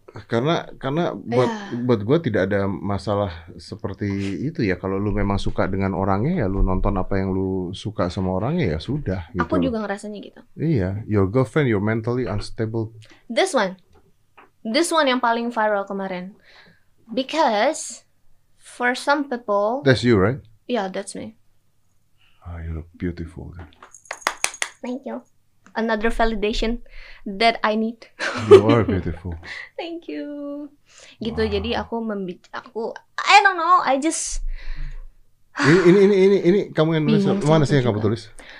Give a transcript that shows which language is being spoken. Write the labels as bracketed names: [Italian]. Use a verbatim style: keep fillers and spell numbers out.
[Indonesian] Karena karena buat yeah. buat gue tidak ada masalah seperti itu ya. Kalau lu memang suka dengan orangnya ya lu nonton apa yang lu suka sama orangnya ya sudah. Gitu. Aku juga ngerasanya gitu. [English] Iya, your girlfriend, your mentally unstable. This one, this one [Indonesian] yang paling viral kemarin. [English] Because for some people. That's you, right? Yeah, that's me. Oh, you look beautiful. Thank you. Another validation that I need. You are beautiful. Thank you. [Indonesian] Gitu [English] wow. [Indonesian] Jadi aku membic aku [English] I don't know, I just [Indonesian] ini ini ini ini, ini kamu yang nulis mana sih yang kamu tulis?